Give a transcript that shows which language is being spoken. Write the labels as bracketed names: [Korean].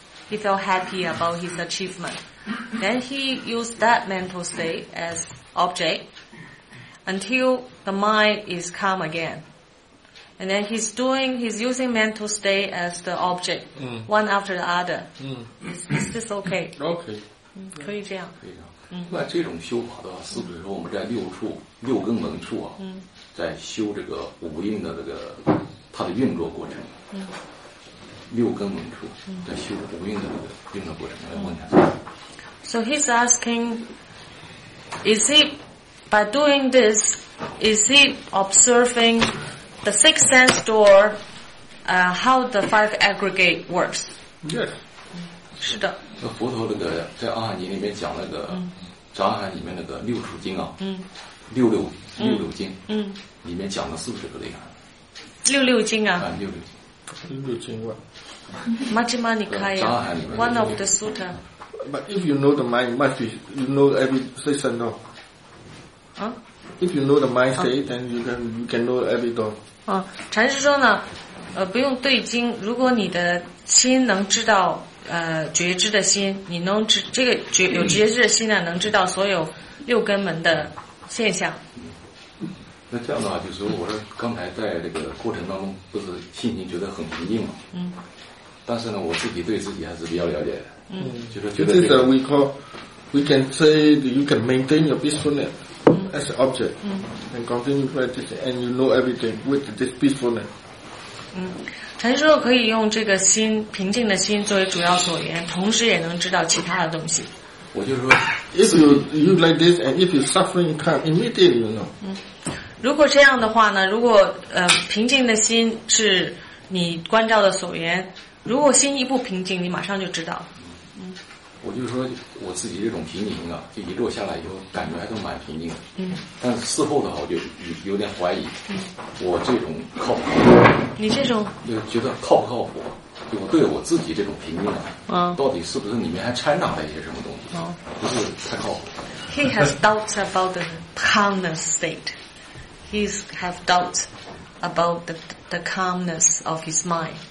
[English] He felt happy about his achievement. Then he used that mental state as object until the mind is calm again. And then he's using mental state as the object, one after the other. Is this okay? Okay. [Chinese] 可以这样。那这种修法的话，是不是说我们在六根门处啊，在修这个五蕴的这个它的运作过程？六根门处在修五蕴的这个运作过程，来问一下。 [English] So he's asking, is he by doing this, is he observing? The six sense door, how the five aggregate works. Yes. [Chinese] 是的。那佛陀那个在阿含经里面讲那个杂含里面那个六处经啊，嗯，六经，嗯，里面讲了四十个内涵。六六经啊。啊，六六经。六六经外。 [English] Majjhimanikaya, one of the sutta. But if you know the mind, must be, you know every session, no? Huh? If you know the mind state, then you can know every door. [Chinese] 禅师说呢，不用对经，如果你的心能知道，觉知的心，你能知，这个觉，有觉知的心呢，能知道所有六根门的现象。那这样的话，就是说，我说刚才在这个过程当中，不是心情觉得很平静嘛？嗯。但是呢，我自己对自己还是比较了解的。嗯。就是觉得、 [English] 这个、we can say that you can maintain your peacefulness、as an object、and continue practice and you know everything with this peacefulness。 [Chinese] 嗯，禅师可以用这个心平静的心作为主要所缘，同时也能知道其他的东西。我就是说 [English] ，if you like this and if you suffering, you come immediately, you know。嗯。 [Chinese] 如果这样的话呢，如果平静的心是你关照的所缘，如果心一不平静，你马上就知道。嗯，我就说我自己这种平静啊，就一落下来以后感觉还都蛮平静的。嗯，但是事后的话我就有点怀疑，嗯，我这种靠不靠谱，你这种就觉得靠不靠谱，就我对我自己这种平静啊，到底是不是里面还掺杂了一些什么东西，不是太靠谱。 [English] He has doubts about the calmness state. He has doubts about the calmness of his mind.